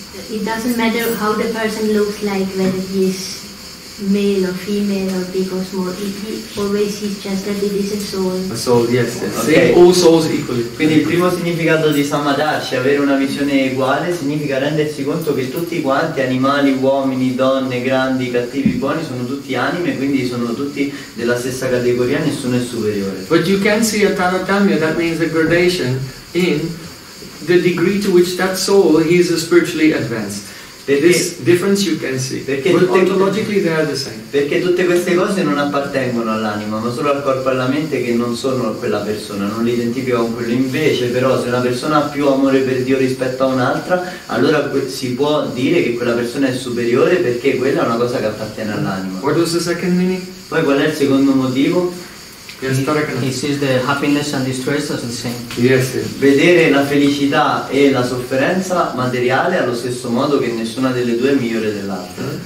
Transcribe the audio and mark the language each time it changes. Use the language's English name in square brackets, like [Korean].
[English] It doesn't matter how the person looks like, whether he is male or female or big or small. He always sees just that it is a soul. A soul, yes. Okay. Seeing all souls equally. [Italian] Quindi il primo significato di samadarshi, avere una visione uguale, significa rendersi conto che tutti quanti, animali, uomini, donne, grandi, cattivi, buoni, sono tutti anime, quindi sono tutti della stessa categoria, nessuno è superiore. [English] But you can see a tanatamya, that means a gradation in the degree to which that soul is spiritually advanced. [Italian] Perché, [English] this difference you can see. Ontologically they are the same. [Italian] Perché tutte queste cose non appartengono all'anima, ma solo al corpo e alla mente, che non sono quella persona, non li identifico con quello. Invece, però, se una persona ha più amore per Dio rispetto a un'altra, allora si può dire che quella persona è superiore perché quella è una cosa che appartiene all'anima. [English] What was the second meaning? [Italian] Poi qual è il secondo motivo? [English] He sees the happiness and distress as the same. Yes. [Italian] Vedere la felicità e la sofferenza materiale allo stesso modo, che nessuna delle due è migliore dell'altra.